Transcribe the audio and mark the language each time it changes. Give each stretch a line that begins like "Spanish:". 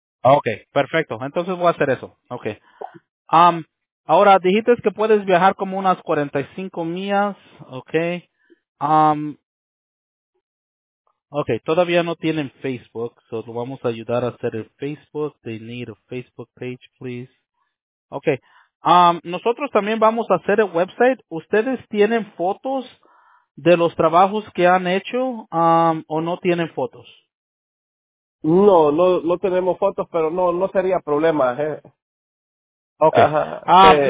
Spanish: Okay, perfecto. Entonces voy a hacer eso. Okay. Ahora, dijiste que puedes viajar como unas 45 millas. Okay. Okay, todavía no tienen Facebook, so lo vamos a ayudar a hacer el Facebook.
English: They need a Facebook page, please. Okay.
Spanish: Nosotros también vamos a hacer el website. ¿Ustedes tienen fotos de los trabajos que han hecho o no tienen fotos? No tenemos fotos, pero no sería problema. Okay.